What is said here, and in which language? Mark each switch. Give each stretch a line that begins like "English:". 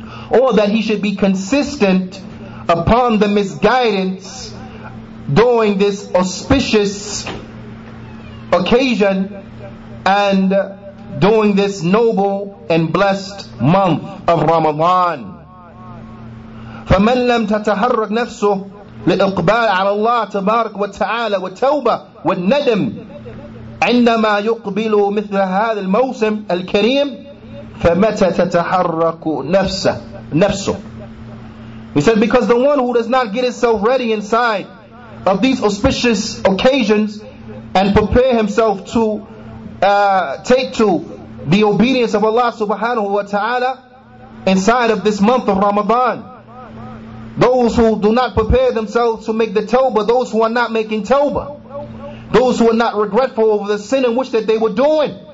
English: Or that he should be consistent upon the misguidance during this auspicious occasion and during this noble and blessed month of Ramadan.
Arabic: فَمَنْ لَمْ تَتَحَرَّقْ نَفْسُهُ لإقبال على الله تبارك وتعالى والتوبة والندم عندما يقبل مثل هذا الموسم الكريم فمتى تتحرك نفسه.
English: He said, because the one who does not get himself ready inside of these auspicious occasions and prepare himself to take to the obedience of Allah subhanahu wa ta'ala inside of this month of Ramadan, those who do not prepare themselves to make the tawbah, those who are not making tawbah, those who are not regretful over the sin in which that they were doing,